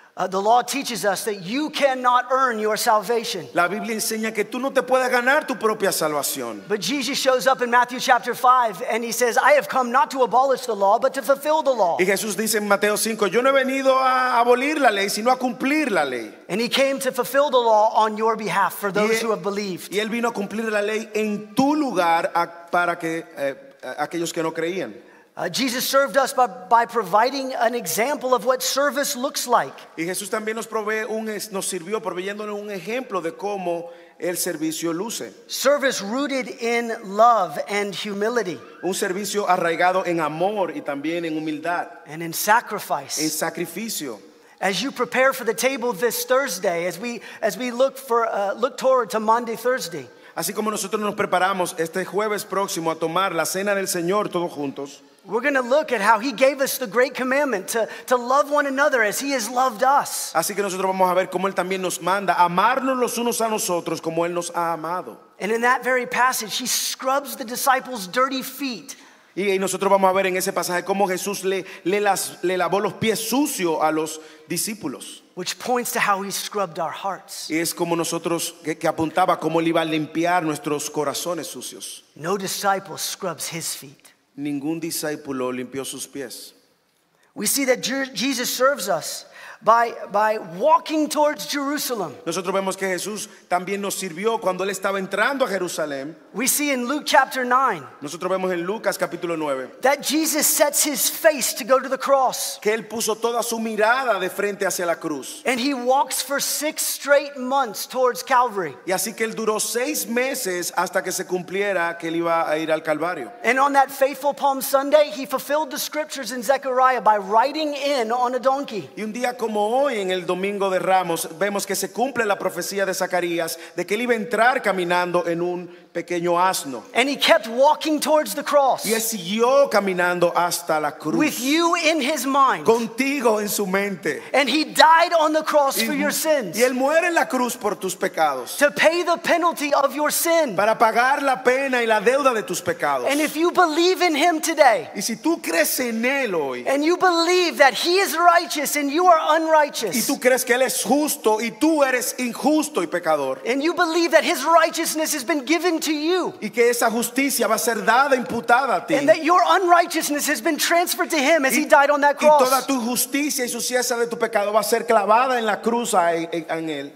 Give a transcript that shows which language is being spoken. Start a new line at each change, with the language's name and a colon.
English: The law teaches us that you cannot earn your salvation.
Spanish: La Biblia enseña que tú no te puedes ganar tu propia salvación.
English: But Jesus shows up in Matthew chapter 5 and he says, I have come not to abolish the law, but to fulfill the law.
Spanish: Y Jesús dice en Mateo 5, yo no he venido a abolir la ley, sino a cumplir la ley.
English: And he came to fulfill the law on your behalf for those who have believed.
Spanish: Y él vino a cumplir la ley en tu lugar para que aquellos que no creían.
English: Jesus served us by providing an example of what service looks like.
Spanish: Y Jesús también nos sirvió proveyéndonos un ejemplo de cómo el servicio luce.
English: Service rooted in love and humility.
Spanish: Un servicio arraigado en amor y también en humildad.
English: And in sacrifice.
Spanish: En sacrificio.
English: As you prepare for the table this Thursday, as we look toward to Monday Thursday.
Spanish: Así como nosotros nos preparamos este jueves próximo a tomar la cena del Señor todos juntos.
English: We're going to look at how he gave us the great commandment to love one another as he has loved us.
Spanish: Así que nosotros vamos a ver cómo él también nos manda amarnos los unos a nosotros como él nos ha amado.
English: And in that very passage, he scrubs the disciples' dirty feet.
Spanish: Y nosotros vamos a ver en ese pasaje cómo Jesús le lavó los pies sucios a los discípulos.
English: Which points to how he scrubbed our hearts.
Spanish: Y es como nosotros que apuntaba cómo él iba a limpiar nuestros corazones sucios.
English: No disciple scrubs his feet.
Spanish: Ningún discípulo limpió sus pies.
English: We see that Jesus serves us by walking towards Jerusalem.
Spanish: Nosotros vemos que Jesús también nos sirvió cuando él estaba entrando a Jerusalén.
English: We see in Luke chapter 9.
Spanish: Nosotros vemos en Lucas capítulo 9.
English: That Jesus sets his face to go to the cross.
Spanish: Que él puso toda su mirada de frente hacia la cruz.
English: And he walks for 6 straight months towards Calvary.
Spanish: Y así que él duró 6 meses hasta que se cumpliera que él iba a ir al Calvario.
English: And on that faithful Palm Sunday, he fulfilled the scriptures in Zechariah by riding in on a donkey.
Spanish: Y un día como hoy en el Domingo de Ramos, vemos que se cumple la profecía de Zacarías de que él iba a entrar caminando en un pequeño asno.
English: And he kept walking towards the cross.
Spanish: Y él siguió caminando hasta la cruz.
English: With you in his mind.
Spanish: Contigo en su mente.
English: And he died on the cross for your sins.
Spanish: Y él muere en la cruz por tus pecados.
English: To pay the penalty of your sin.
Spanish: Para pagar la pena y la deuda de tus pecados.
English: And if you believe in him today.
Spanish: Y si tú crees en él hoy.
English: And you believe that he is righteous and you are unrighteous.
Spanish: Y tú crees que él es justo y tú eres injusto y pecador.
English: And you believe that his righteousness has been given to you.
Spanish: Y que esa justicia va a ser dada, imputada a ti.
English: And that your unrighteousness has been transferred to him as he died on that cross.
Spanish: Y toda tu justicia y suciedad de tu pecado va a ser clavada en la cruz en él.